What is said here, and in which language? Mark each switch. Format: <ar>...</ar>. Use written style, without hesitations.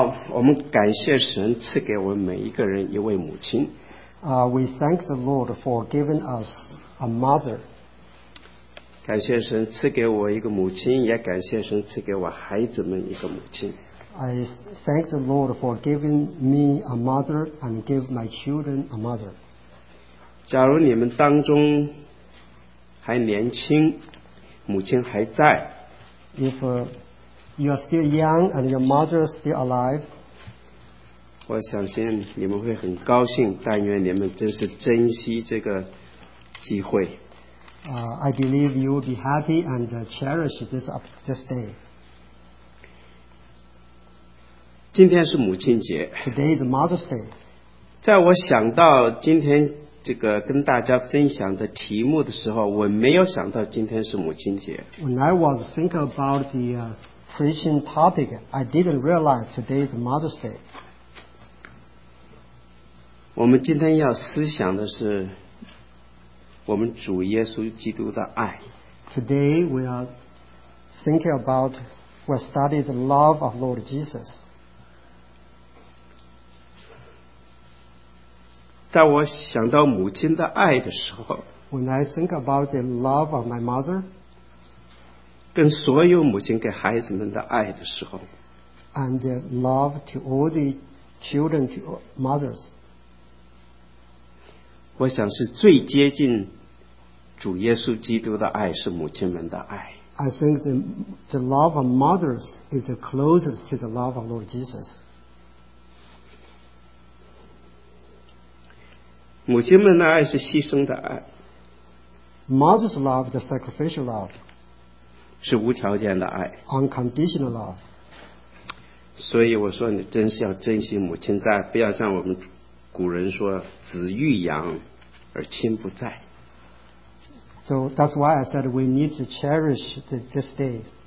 <zh>我们感谢神赐给我们每一个人一位母亲。</zh> <en>We thank the Lord for giving us a mother.</en> <zh>感谢神赐给我一个母亲，也感谢神赐给我孩子们一个母亲。</zh> <en>I thank the Lord for giving me a mother and give my children a mother.</en> <zh>假如你们当中还年轻，母亲还在。</zh> <en>If you are still young and your mother is still alive,</en> <zh>我相信你们会很高兴，但愿你们真是珍惜这个机会。</zh> <en>I believe you will be happy and cherish this day.</en> <zh>今天是母亲节。</zh> <en>Today is Mother's Day.</en> <zh>在我想到今天这个跟大家分享的题目的时候，我没有想到今天是母亲节。</zh> <en>When I was thinking about the preaching topic, I didn't realize today is Mother's Day.</en> <zh>我们今天要思想的是我们主耶稣基督的爱。</zh> <en>Today we are thinking about, we study the love of Lord Jesus.</en> <zh>在我想到母亲的爱的时候，</zh> <en>When I think about the love of my mother,</en> <zh>跟所有母亲给孩子们的爱的时候，</zh> <en>And the love to all the children to mothers,</en> <zh>我想是最接近主耶稣基督的爱是母亲们的爱。</zh> <en>I think the love of mothers is the closest to the love of Lord Jesus.</en> <zh>母亲们的爱是牺牲的爱。</zh> <en>Mother's love is a sacrificial love.</en> <zh>是无条件的爱。</zh> <en>Unconditional love.</en> <zh>所以我说你真是要珍惜母亲在，不要像我们古人说子欲养而亲不在。</zh> <en>So that's why I said we need to cherish this day.</en>